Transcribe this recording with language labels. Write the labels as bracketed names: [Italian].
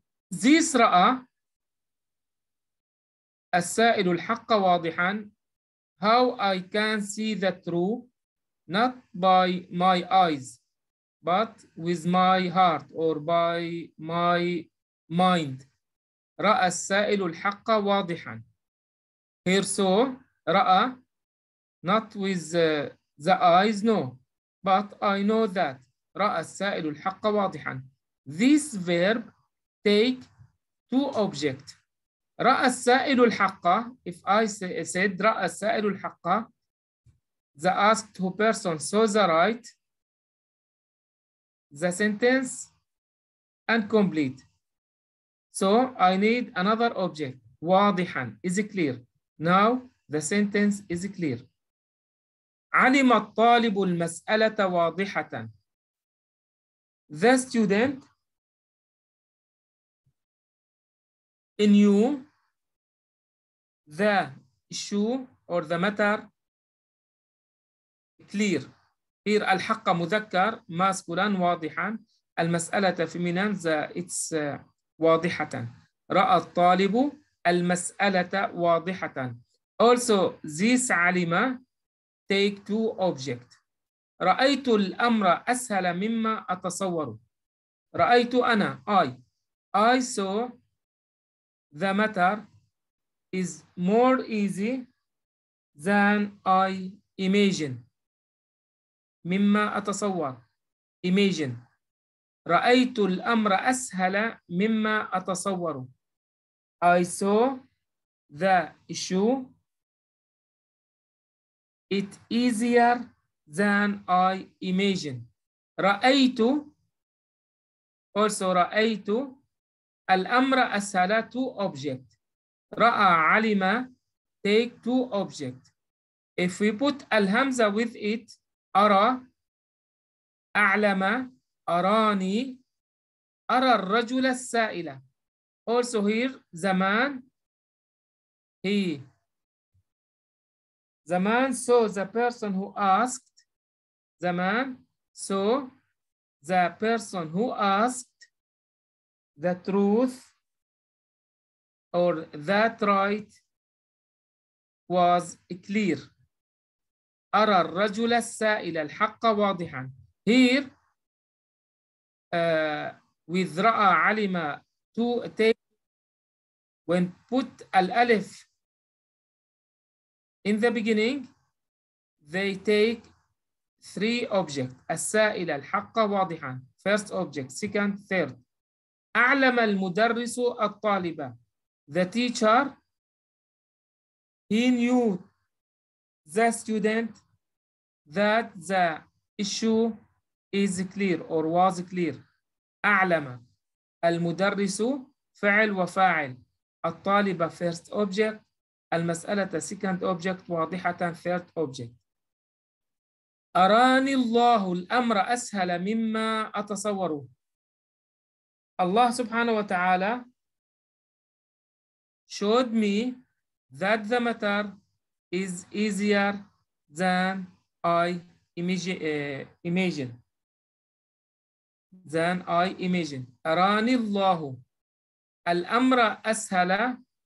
[Arabic] This رأى السائل الحق واضحا. [English] How I can see the truth, not by my eyes, but with my heart or by my mind. [Arabic] رأى السائل الحق واضحا. [English] Here so, رأى, not with the eyes, no, But I know that. [Arabic] رأى السائل الحق واضحا. [English] This verb take two objects. [Arabic] رأى السائل الحق. [English] If I said [Arabic] رأى السائل الحق, [English] the asked who person saw the right, the sentence incomplete. So I need another object. واضحا. Is it clear? Now the sentence is clear. [Arabic] علم الطالب المسألة واضحة. [English] The student knew the issue or the matter clear. [Arabic] Here الحق مذكر masculine واضحا. [English] المسألة feminine the it's واضحة. [Arabic] رأى الطالب المسألة واضحة. [English] Also this علم take two object. [Arabic] رأيت الأمر أسهل مما أتصور. رأيت أنا [English] I saw the matter is more easy than I imagine. [Arabic] مما أتصور imagine. رأيت الأمر أسهل مما أتصور. [English] I saw the issue it easier than I imagine. [Arabic] رأيت also رأيت الأمر أسهل [English] two object. [Arabic] رأى علم [English] take two object. If we put [Arabic] الهمزة [English] with it [Arabic] أرى أعلم أراني أرى الرجل السائل. [English] Also here زمان he the man saw the person who asked. The man saw the person who asked the truth or that right was clear. [Arabic] أرى الرجل السائل الحق واضحا. [English] Here, with [Arabic] رأى علم [English] to take, when put الألف in the beginning, they take three objects. [Arabic] السائل الحق واضحا. [English] First object, second, third. [Arabic] أعلم المدرس الطالبة. [English] The teacher, he knew the student that the issue is clear or was clear. [Arabic] أعلم المدرس فعل وفاعل. [English] الطالبة first object. المسألة second object واضحة third object. [Arabic] أراني الله الأمر أسهل مما أتصور. الله سبحانه وتعالى [English] showed me that the matter is easier than I imagine. Than I imagine. [Arabic] أراني الله الأمر أسهل.